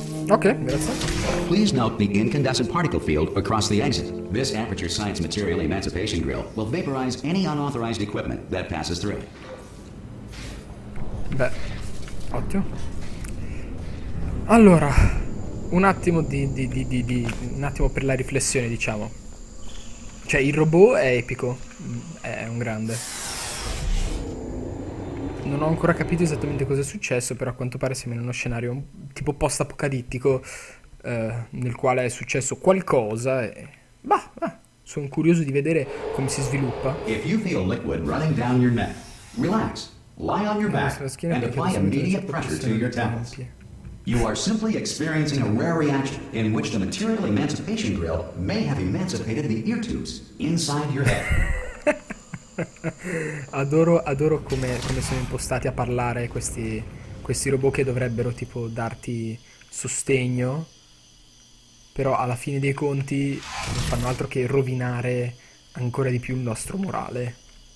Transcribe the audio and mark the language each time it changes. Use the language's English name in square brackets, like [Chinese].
[Italian] Okay, grazie. [English] Please note the incandescent particle field across the exit. This Aperture Science Material Emancipation Grill will vaporize any unauthorized equipment that passes through. [Italian] Beh, ottimo. Allora, un attimo di un attimo per la riflessione, diciamo. Cioè, il robot è epico. È un grande. Non ho ancora capito esattamente cosa è successo, però a quanto pare siamo in uno scenario tipo post-apocalittico nel quale è successo qualcosa e... Bah, sono curioso di vedere come si sviluppa. [English] If you feel liquid running down your neck, relax, lie on your back and apply immediate pressure to your temples. You are simply experiencing a rare reaction in which the material emancipation grill may have emancipated the ear tubes inside your head. [Italian] Adoro come sono impostati a parlare questi robot che dovrebbero tipo darti sostegno, però alla fine dei conti non fanno altro che rovinare ancora di più il nostro morale.